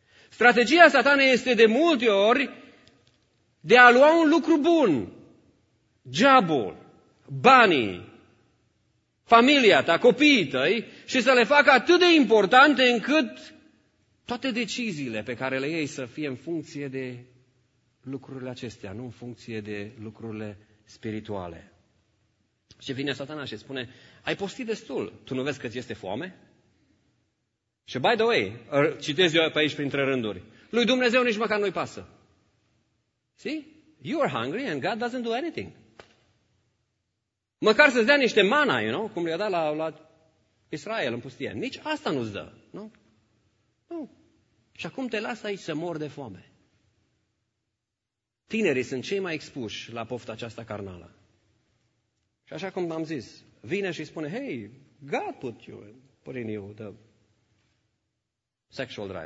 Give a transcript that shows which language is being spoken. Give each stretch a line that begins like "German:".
Romanian: Strategia Satanei este de multe ori de a lua un lucru bun, geabul, banii, familia ta, copiii tăi, și să le facă atât de importante încât toate deciziile pe care le iei să fie în funcție de lucrurile acestea, nu în funcție de lucrurile spirituale. Și vine Satana și spune, ai postit destul, tu nu vezi că ți este foame? Și
English: by the way,
Romanian: citesc eu pe aici printre rânduri, lui Dumnezeu nici măcar nu-i pasă.
English: See? You are hungry and God doesn't do anything.
Romanian: Măcar să-ți dea niște mana,
English: you know,
Romanian: cum le-a dat la Israel în pustie. Nici asta nu-ți dă, nu? Nu. Și acum te lasă aici să mor de foame. Tinerii sunt cei mai expuși la pofta aceasta carnală. Și așa cum am zis, vine și spune, hey,
English: God put in you the sexual drive.